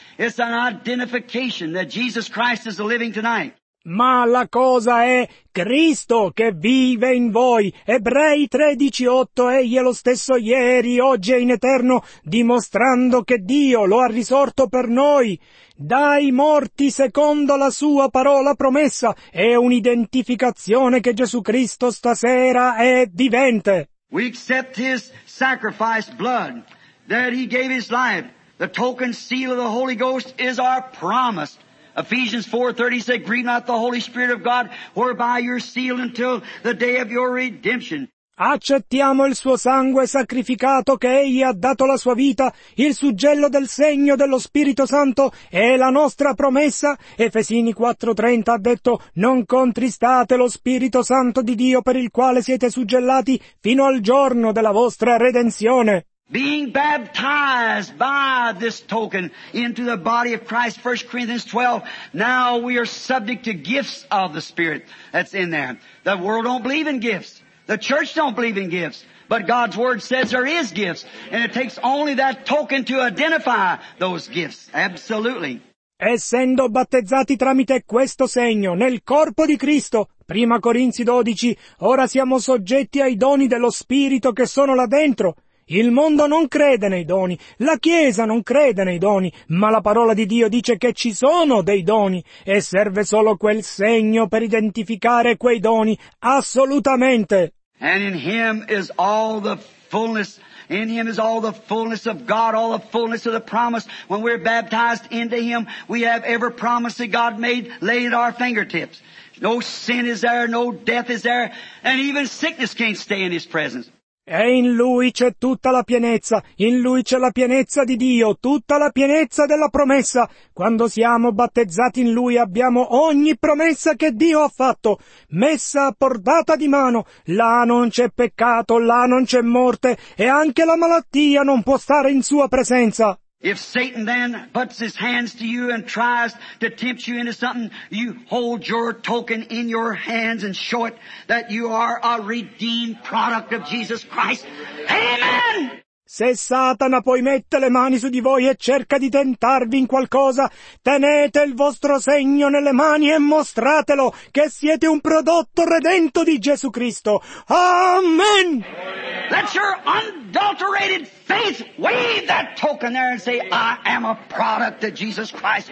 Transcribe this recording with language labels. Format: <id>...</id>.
<en>It's an identification that Jesus Christ is living tonight.</en> <it>Ma la cosa è Cristo che vive in voi. Ebrei 13:8, Egli è lo stesso ieri, oggi e in eterno, dimostrando che Dio lo ha risorto per noi. Dai morti secondo la sua parola promessa, è un'identificazione che Gesù Cristo stasera è vivente.</it> <en>We accept His sacrificed blood, that He gave His life. The token seal of the Holy Ghost is our promise. Ephesians 4:30 says, "Grieve not the Holy Spirit of God, whereby you're sealed until the day of your redemption."</en> <it>Accettiamo il suo sangue sacrificato che egli ha dato la sua vita, il suggello del segno dello Spirito Santo è la nostra promessa. Efesini 4:30 ha detto: "Non contristate lo Spirito Santo di Dio per il quale siete suggellati fino al giorno della vostra redenzione."</it> <en>Being baptized by this token into the body of Christ, 1 Corinthians 12, now we are subject to gifts of the Spirit that's in there. The world don't believe in gifts. The church don't believe in gifts. But God's Word says there is gifts. And it takes only that token to identify those gifts. Absolutely.</en> <it>Essendo battezzati tramite questo segno nel corpo di Cristo, 1 Corinzi 12, ora siamo soggetti ai doni dello Spirito che sono là dentro. Il mondo non crede nei doni, la Chiesa non crede nei doni, ma la parola di Dio dice che ci sono dei doni e serve solo quel segno per identificare quei doni, assolutamente.</it> <en>And in him is all the fullness, in him is all the fullness of God, all the fullness of the promise. When we're baptized into him, we have every promise that God made laid at our fingertips. No sin is there, no death is there, and even sickness can't stay in his presence.</en> <it>E in Lui c'è tutta la pienezza, in Lui c'è la pienezza di Dio, tutta la pienezza della promessa. Quando siamo battezzati in Lui abbiamo ogni promessa che Dio ha fatto, messa a portata di mano. Là non c'è peccato, là non c'è morte, e anche la malattia non può stare in Sua presenza.</it> <en>If Satan then puts his hands to you and tries to tempt you into something, you hold your token in your hands and show it that you are a redeemed product of Jesus Christ. Amen!</en> <it>Se Satana poi mette le mani su di voi e cerca di tentarvi in qualcosa, tenete il vostro segno nelle mani e mostratelo che siete un prodotto redento di Gesù Cristo. Amen!</it> <en>Let your unadulterated faith wave that token there and say, "I am a product of Jesus Christ."</en>